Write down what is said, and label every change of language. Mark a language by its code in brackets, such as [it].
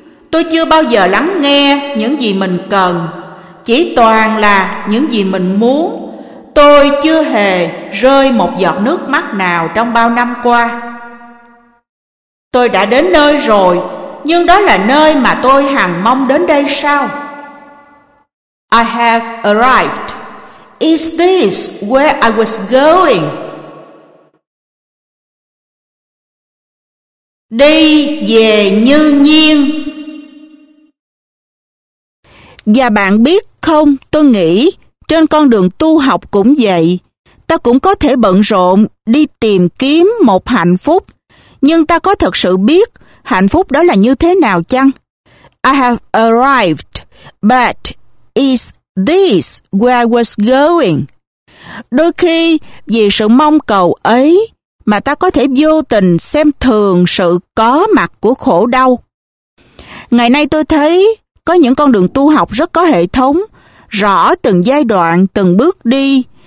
[vi] Tôi chưa bao giờ lắng nghe những gì mình cần, chỉ toàn là những gì mình muốn. Tôi chưa hề rơi một giọt nước mắt nào trong bao năm qua. Tôi đã đến nơi rồi, nhưng đó là nơi mà tôi hằng mong đến đây sao? [en] I have arrived. Is this where I was going? [vi] Đi về như nhiên. Và bạn biết không, tôi nghĩ trên con đường tu học cũng vậy. Ta cũng có thể bận rộn đi tìm kiếm một hạnh phúc, nhưng ta có thật sự biết hạnh phúc đó là như thế nào chăng? [en] I have arrived, but is this where I was going? [vi] Đôi khi vì sự mong cầu ấy mà ta có thể vô tình xem thường sự có mặt của khổ đau. Ngày nay tôi thấy có những con đường tu học rất có hệ thống, rõ từng giai đoạn, từng bước đi.